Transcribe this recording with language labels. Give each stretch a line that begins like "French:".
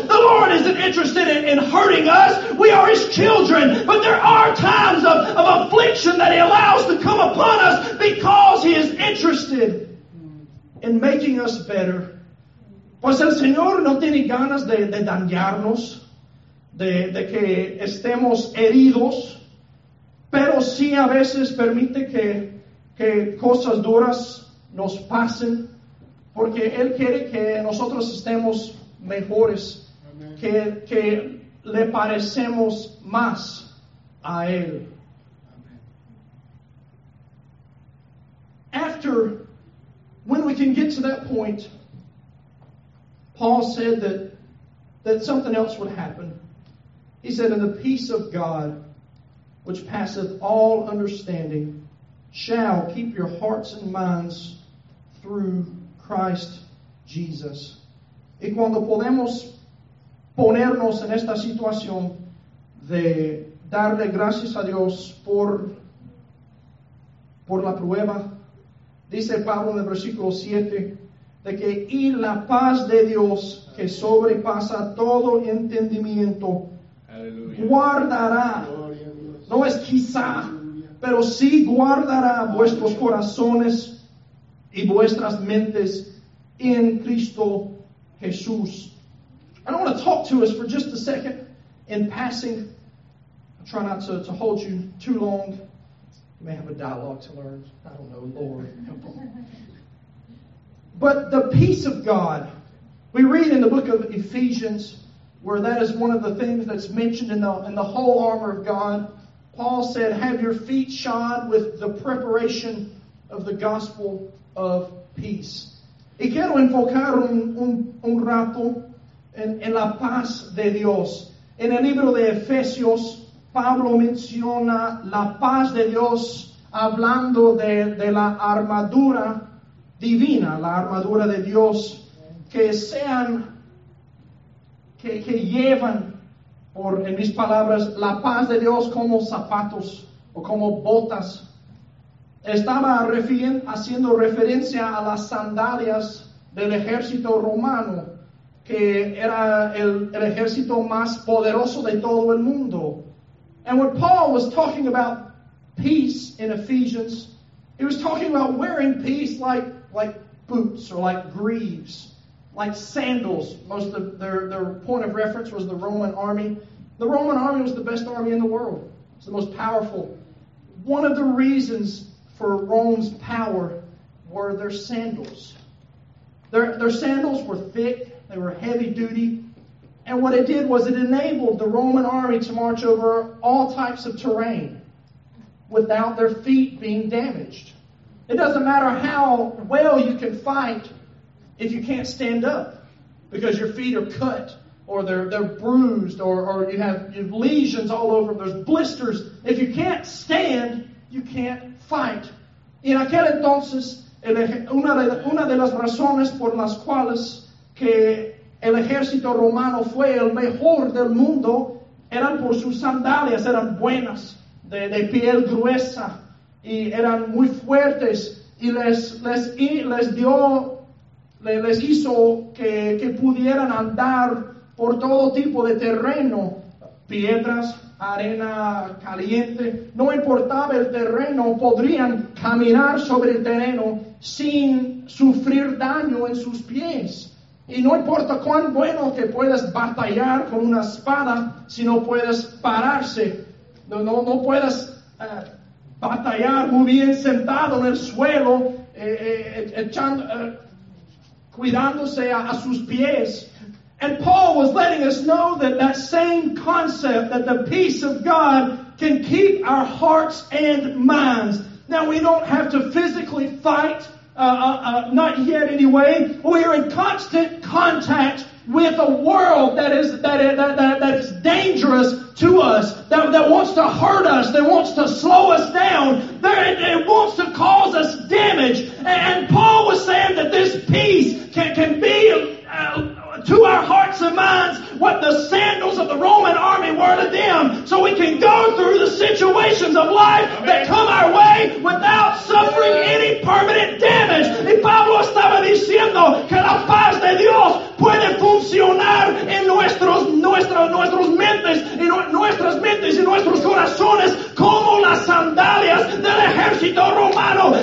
English: The Lord isn't interested in hurting us. We are his children. But there are times of affliction that he allows to come upon us because he is interested in making us better.
Spanish: Pues el Señor no tiene ganas de dañarnos, de que estemos heridos, pero sí a veces permite que cosas duras nos pasen, porque Él quiere que nosotros estemos mejores, que le parecemos más a Él.
English: After, when we can get to that point, Paul said that something else would happen. He said, and the peace of God, which passeth all understanding, shall keep your hearts and minds through Christ Jesus.
Spanish: Y cuando podemos ponernos en esta situación de darle gracias a Dios por la prueba, dice Pablo en el versículo 7, de que y la paz de Dios, que sobrepasa todo entendimiento, aleluya, guardará, no es quizá, pero sí guardará vuestros corazones y vuestras mentes en Cristo Jesús.
English: I don't want to talk to us for just a second in passing. I'll try not to hold you too long. You may have a dialogue to learn. I don't know, Lord. But the peace of God, we read in the book of Ephesians, where that is one of the things that's mentioned in the whole armor of God. Paul said, have your feet shod with the preparation of the gospel of peace.
Spanish: Y quiero enfocar un rato en la paz de Dios. En el libro de Efesios, Pablo menciona la paz de Dios hablando de la armadura divina, la armadura de Dios, que llevan, por en mis palabras, la paz de Dios como zapatos o como botas. Estaba haciendo referencia a las sandalias del ejército romano, que era el ejército más poderoso de todo el mundo.
English: And when Paul was talking about peace in Ephesians, he was talking about wearing peace like boots or like greaves, like sandals. Most of their point of reference was the Roman army. The Roman army was the best army in the world. It's the most powerful. One of the reasons for Rome's power were their sandals. Their sandals were thick. They were heavy duty. And what it did was it enabled the Roman army to march over all types of terrain without their feet being damaged. It doesn't matter how well you can fight if you can't stand up because your feet are cut or they're bruised or you have lesions all over. There's blisters. If you can't stand, you can't fight.
Spanish: Y en aquel entonces, una de las razones por las cuales que el ejército romano fue el mejor del mundo eran por sus sandalias, eran buenas, de piel gruesa, y eran muy fuertes, y les hizo que pudieran andar por todo tipo de terreno, piedras, arena caliente, no importaba el terreno, podrían caminar sobre el terreno sin sufrir daño en sus pies. Y no importa cuán bueno que puedas batallar con una espada, si no puedes pararse, no puedes batallar muy bien sentado en el suelo, echando, cuidándose a sus pies.
English: And Paul was letting us know that that same concept, that the peace of God can keep our hearts and minds. Now, we don't have to physically fight, not yet anyway. We are in constant contact with a world that is dangerous to us, that wants to hurt us, that wants to slow us down, that it wants to cause us damage. And Paul was saying that this peace can be to our hearts and minds what the sandals of the Roman army were to them, so we can go through the situations of life that come our way without suffering any permanent damage.
Spanish: Y Pablo estaba diciendo que la paz de Dios puede funcionar en nuestros mentes y nuestras mentes y nuestros corazones como las sandalias del ejército romano.